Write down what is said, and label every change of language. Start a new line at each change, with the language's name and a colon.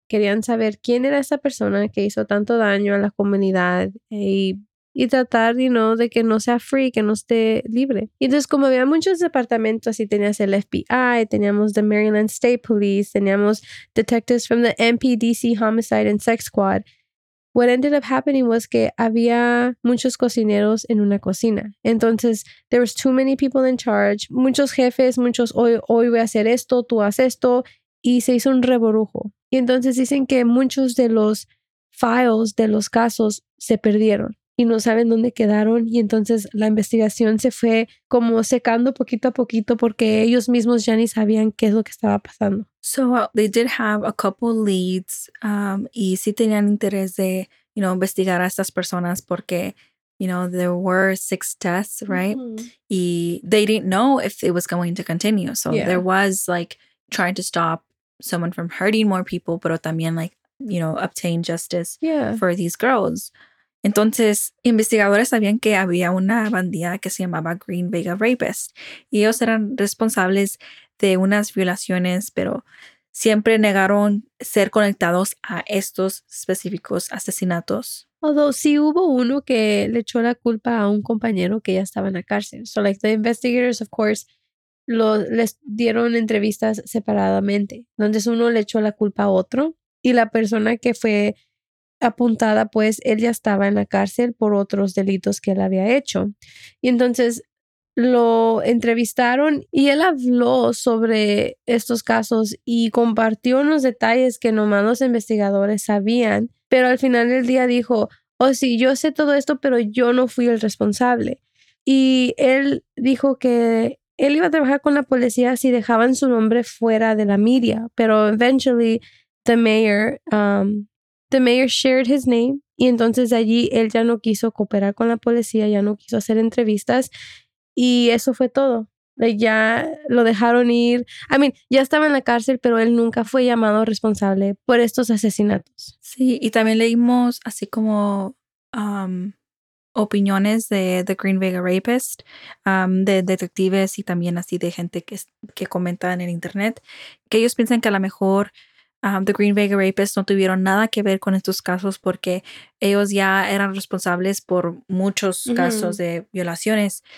Spanish: Querían saber quién era esa persona que hizo tanto daño a la comunidad y tratar,
English: you know,
Spanish: de que no sea free, que no esté libre. Y entonces, como había muchos departamentos, así tenías el FBI, teníamos
English: the Maryland State Police,
Spanish: teníamos
English: detectives from the MPDC Homicide and Sex Squad. What ended up happening was
Spanish: que había muchos cocineros en una cocina.
English: Entonces, there was too many people in charge.
Spanish: Muchos jefes, muchos, hoy voy a hacer esto, tú haz esto. Y se hizo un reborujo. Y entonces dicen que muchos de los files de los casos se perdieron. Y no saben dónde quedaron. Y entonces la investigación se fue como secando poquito a poquito porque ellos mismos ya ni sabían qué es lo que estaba pasando.
English: So they did have a couple leads
Spanish: y sí tenían interés de,
English: you know,
Spanish: investigar a estas personas porque,
English: you know, there were 6 deaths, right? Mm-hmm. Y they didn't know if it was going to continue. So yeah. There was like trying to stop someone from hurting more people,
Spanish: pero también
English: like, you know, obtain justice for these girls.
Spanish: Entonces, investigadores sabían que había una bandida que se llamaba Green Vega Rapist. Y ellos eran responsables de unas violaciones, pero siempre negaron ser conectados a estos específicos asesinatos. Although, sí hubo uno que le echó la culpa a un compañero que ya estaba en la cárcel.
English: So, like, the investigators, of course,
Spanish: les dieron entrevistas separadamente. Entonces, uno le echó la culpa a otro. Y la persona que fue apuntada, pues él ya estaba en la cárcel por otros delitos que él había hecho. Y entonces lo entrevistaron y él habló sobre estos casos y compartió unos detalles que nomás los investigadores sabían, pero al final del día dijo, oh sí, yo sé todo esto, pero yo no fui el responsable. Y él dijo que él iba a trabajar con la policía si dejaban su nombre fuera de la media.
English: Pero eventually, the mayor shared his name.
Spanish: Y entonces de allí él ya no quiso cooperar con la policía, ya no quiso hacer entrevistas. Y eso fue todo. Ya lo dejaron ir.
English: I mean,
Spanish: ya estaba en la cárcel, pero él nunca fue llamado responsable por estos asesinatos. Sí, y también leímos así como opiniones de The Green Vega Rapist, de detectives y también así de gente que comenta en el internet, que ellos piensan que a lo mejor The Green Vega Rapist no tuvieron nada que ver con estos casos porque ellos ya eran responsables por muchos casos de violaciones.